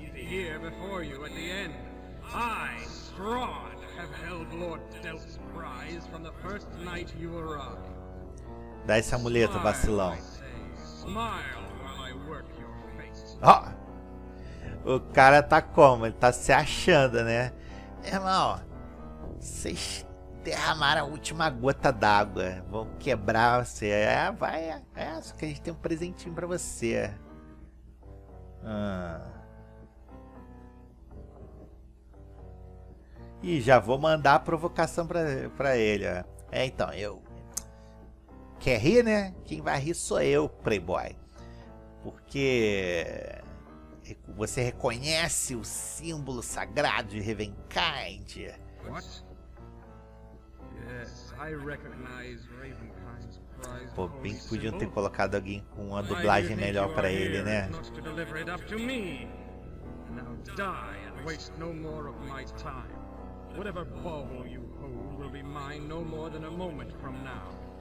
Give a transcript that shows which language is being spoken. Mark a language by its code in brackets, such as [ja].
[en] Here before you at the end. I, Strahd, have held Lord Delph's prize from the first night you arrived. [pt] Dá essa muleta, vacilão. [en] Smile while I work your face. [pt] Ó! Oh, o cara tá como? Ele tá se achando, né? Irmão, vocês derramaram a última gota d'água. Vão quebrar você. É, vai. É, só que a gente tem um presentinho pra você. E já vou mandar a provocação pra ele, ó. É, então, eu... Quer rir, né? Quem vai rir sou eu, playboy. Porque... Você reconhece o símbolo sagrado de Ravenkind? O quê? Sim, eu reconheço o Ravenkind's prize. Pô, bem que podiam ter colocado alguém com uma dublagem melhor pra ele, né? Não para [en] deliver it up to me. Now die and waste no more of my time. Whatever bauble you hold will be mine no more than a moment from now.